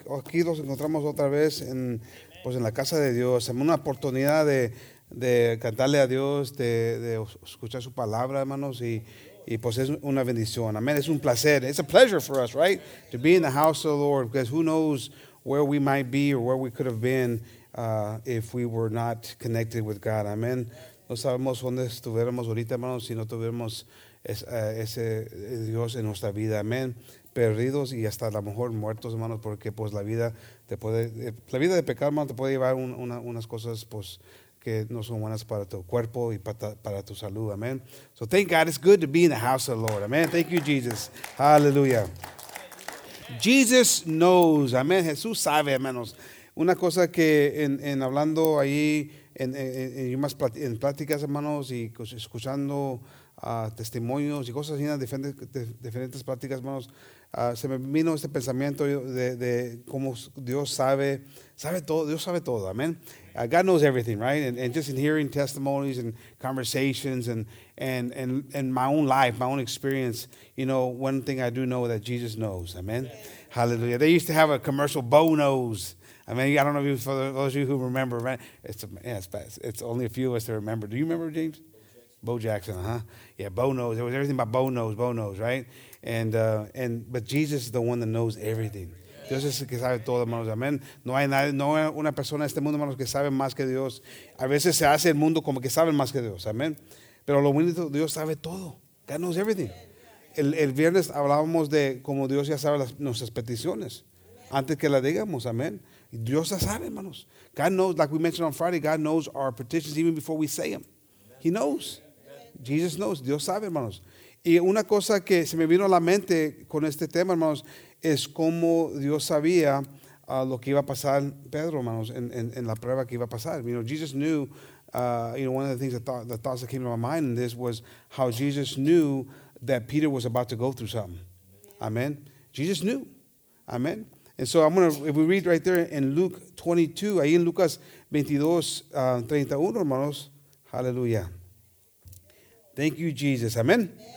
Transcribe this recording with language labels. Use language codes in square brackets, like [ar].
[es] Aquí nos encontramos otra vez en, pues, en la casa de Dios. Amén. Una oportunidad de cantarle a Dios, de escuchar su palabra, hermanos. Y pues es una bendición. Amén. Es un placer. [en] It's a pleasure for us, right? To be in the house of the Lord. Because who knows where we might be or where we could have been if we were not connected with God. [es] Amén. No sabemos dónde estuviéramos ahorita, hermanos, si no tuviéramos ese Dios en nuestra vida. Amén. Perdidos y hasta a lo mejor muertos, hermanos, porque pues la vida te puede, la vida de pecado, hermano, te puede llevar unas cosas, pues, que no son buenas para tu cuerpo y para tu salud. Amén. [en] So thank God it's good to be in the house of the Lord. Amén. Thank you, Jesus. Hallelujah. Jesus knows. Amén. [es] Jesús sabe, hermanos. Una cosa que en hablando ahí en pláticas, hermanos, y escuchando testimonios y cosas así en diferentes pláticas, hermanos, se me vino este pensamiento de cómo Dios sabe todo. Dios sabe todo. Amén. [en] God knows everything, right? And just in hearing testimonies and conversations and my own life, my own experience, you know, one thing I do know that Jesus knows. Amen. Yeah. Hallelujah. They used to have a commercial, Bo Knows. I mean, I don't know if for those of you who remember, right? It's only a few of us that remember. Do you remember, James? Bo Jackson, huh? Yeah, Bo Knows. There was everything about Bo Knows, right? But Jesus is the one that knows everything. [es] Dios es el que sabe todo, hermanos. Amén. No hay nadie, no hay una persona en este mundo, hermanos, que sabe más que Dios. A veces se hace el mundo como que saben más que Dios. Amén. Pero lo bonito, Dios sabe todo. [en] God knows everything. [es] El viernes hablábamos de cómo Dios ya sabe nuestras peticiones. Antes que las digamos. Amén. Dios ya sabe, hermanos. [en] God knows, like we mentioned on Friday, God knows our petitions even before we say them. He knows. Jesus knows. [es] Dios sabe, hermanos. Y una cosa que se me vino a la mente con este tema, hermanos, es como Dios sabía lo que iba a pasar Pedro, hermanos, en la prueba que iba a pasar. [en] You know, Jesus knew, you know, one of the things the thoughts that came to my mind in this was how Jesus knew that Peter was about to go through something. Amen. Jesus knew. Amen. And so if we read right there in Luke 22, [es] ahí en Lucas 22, 31, hermanos, [en] hallelujah. Thank you, Jesus. Amen.